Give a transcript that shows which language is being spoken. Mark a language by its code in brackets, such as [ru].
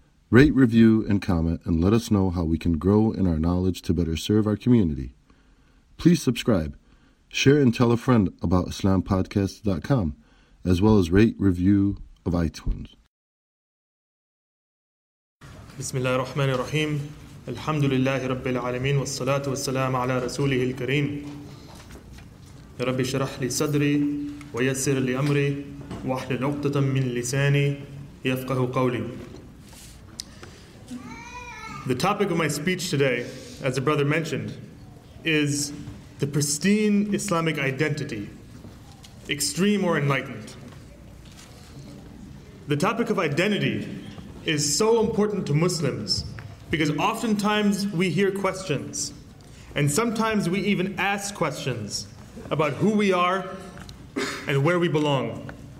[en] Rate, review, and comment and let us know how we can grow in our knowledge to better serve our community. Please subscribe, share, and tell a friend about islampodcasts.com as well as rate, review of iTunes. [ar] Bismillahirrahmanirrahim. الحمد لله رب العالمين والصلاة والسلام على رسوله الكريم رب اشرح لي صدري ويسر لي أمري واحلل عقدة من لساني يفقه قولي. [en] The topic of my speech today, as the brother mentioned, is the pristine Islamic identity, extreme or enlightened. The topic of identity is so important to Muslims because oftentimes we hear questions, and sometimes we even ask questions about who we are and where we belong.